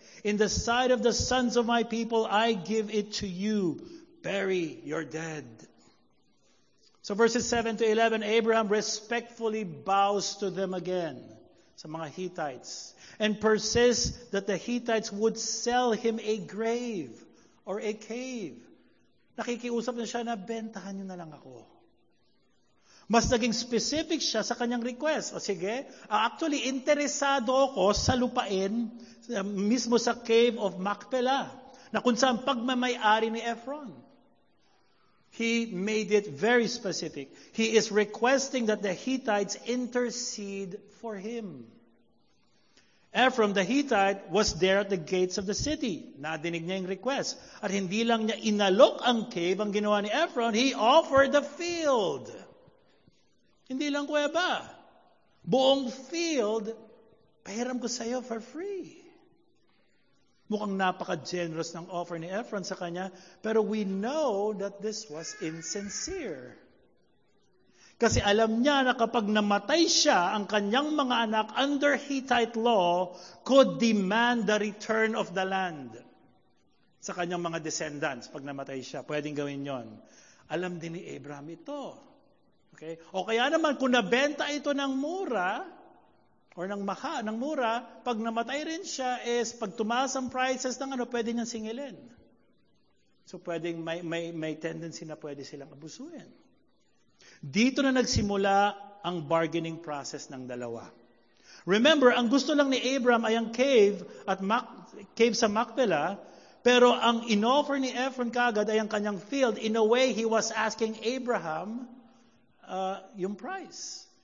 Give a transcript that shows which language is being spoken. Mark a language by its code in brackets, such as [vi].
[en] In the sight of the sons of my people, I give it to you. Bury your dead. So verses 7 to 11, Abraham respectfully bows to them again, [tl] sa mga Hittites, [en] and persists that the Hittites would sell him a grave or a cave. [tl] Nakikiusap na siya na, bentahan niyo na lang ako. Mas naging specific siya sa kanyang request. O sige, actually, interesado ako sa lupain mismo sa cave of Machpelah na kung saan pagmamayari ni Ephron. [en] He made it very specific. He is requesting that the Hittites intercede for him. Ephron, the Hittite, was there at the gates of the city. [tl] Nadinig niya yung request. At hindi lang niya inalok ang cave, ang ginawa ni Ephron, [en] he offered the field. [tl] Hindi lang kuweba. Buong field, pahiram ko sa'yo [en] for free. [tl] Mukhang napaka-generous ng offer ni Ephron sa kanya, pero [en] we know that this was insincere. [tl] Kasi alam niya na kapag namatay siya, ang kanyang mga anak [en] under Hittite law could demand the return of the land [tl] sa kanyang mga descendants pag namatay siya. Pwedeng gawin yon. Alam din ni Abraham ito. Okay? O kaya naman, kung nabenta ito ng mura, or ng maha, ng mura, pag namatay rin siya, is pag tumaas ang prices ng ano, pwede niyang singilin. So pwedeng may tendency na pwede silang abusuin. Dito na nagsimula ang bargaining process ng dalawa. Remember, ang gusto lang ni Abraham ay ang cave, at cave sa Machpelah, pero ang inoffer ni Ephron kagad ay ang kanyang field. [en] In a way, he was asking Abraham [tl] yung price.